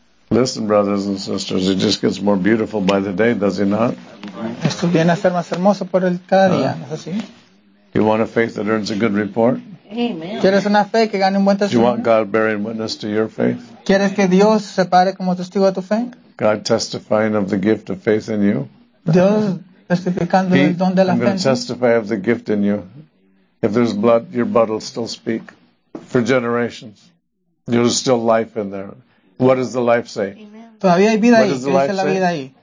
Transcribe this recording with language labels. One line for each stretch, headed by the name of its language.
English: Listen, brothers and sisters, he just gets more beautiful by the day, does he not?
Spanish: Esto viene a ser más hermoso por el cada día, ¿no es así?
English: You want a faith that earns a good report? Amen.
Spanish: ¿Quieres una fe que gane un buen testimonio?
English: Do you want God bearing witness to your faith?
Spanish: ¿Quieres que Dios se pare como testigo de tu fe?
English: God testifying of the gift of faith in you?
Spanish: Dios testificando el don de la fe.
English: I'm going to testify of the gift in you. If there's blood, your blood will still speak for generations. There's still life in there. What does the life say?
Spanish: Todavía hay vida ahí. ¿Qué dice la vida ahí?